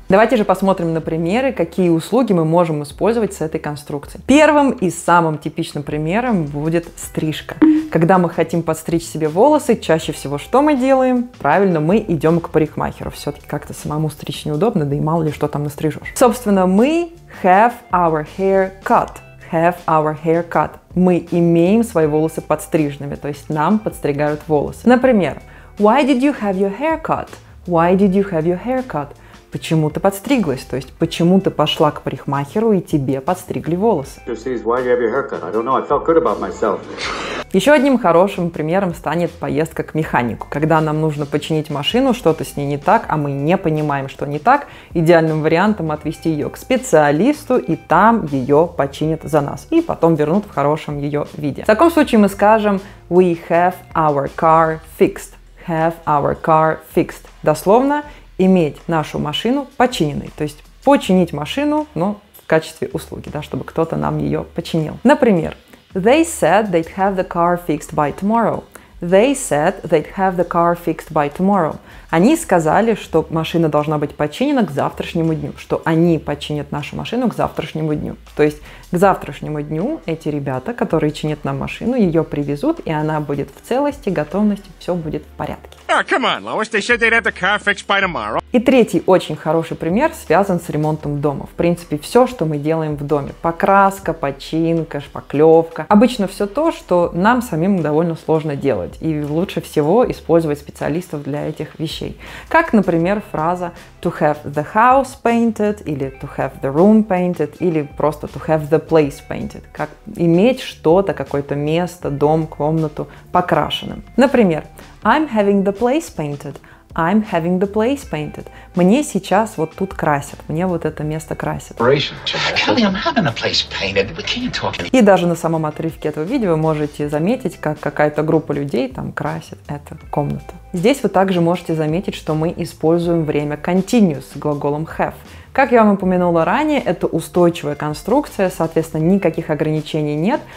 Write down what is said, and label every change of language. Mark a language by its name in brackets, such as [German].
[Russian] Давайте же посмотрим на примеры, какие услуги мы можем использовать с этой конструкцией. Первым и самым типичным примером будет стрижка. Когда мы хотим подстричь себе волосы, чаще всего что мы делаем? Правильно, мы идем к парикмахеру. Все-таки как-то самому стричь неудобно, да и мало ли что там настрижешь. Собственно, мы [English] have our hair cut. Have our hair cut. [Russian] Мы имеем свои волосы подстриженными, то есть нам подстригают волосы. Например, [English] why did you have your hair cut? Why did you have your hair cut? [Russian] Почему ты подстриглась? То есть, почему ты пошла к парикмахеру и тебе подстригли волосы? [English] Why you have your hair cut? I don't know, I felt good about myself. [Russian] Еще одним хорошим примером станет поездка к механику. Когда нам нужно починить машину, что-то с ней не так, а мы не понимаем, что не так, идеальным вариантом отвезти ее к специалисту, и там ее починят за нас. И потом вернут в хорошем ее виде. В таком случае мы скажем [English] we have our car fixed. Have our car fixed. [Russian] Дословно, иметь нашу машину починенной. То есть починить машину, но в качестве услуги, да, чтобы кто-то нам ее починил. Например, [English] they said they'd have the car fixed by tomorrow. They said they'd have the car fixed by tomorrow. [Russian] Они сказали, что машина должна быть починена к завтрашнему дню, что они починят нашу машину к завтрашнему дню. То есть к завтрашнему дню эти ребята, которые чинят нам машину, ее привезут, и она будет в целости, готовности, все будет в порядке. [English] Oh, come on, Lois. They said they'd have the car fixed by tomorrow. [Russian] И третий очень хороший пример связан с ремонтом дома. В принципе, все, что мы делаем в доме. Покраска, починка, шпаклевка. Обычно все то, что нам самим довольно сложно делать. И лучше всего использовать специалистов для этих вещей. Как, например, фраза [English] to have the house painted, или to have the room painted, или просто to have the place painted. [Russian] Как иметь что-то, какое-то место, дом, комнату покрашенным. Например, [English] I'm having the place painted. I'm having the place painted. [Russian] Мне сейчас вот тут красят. Мне вот это место красят. [English] Kelly, I'm having a place painted. We can't talk. [Russian] И даже на самом отрывке этого видео вы можете заметить, как какая-то группа людей там красит эту комнату. Здесь вы также можете заметить, что мы используем время continuous с глаголом have. Как я вам упомянула ранее, это устойчивая конструкция, соответственно, никаких ограничений нет.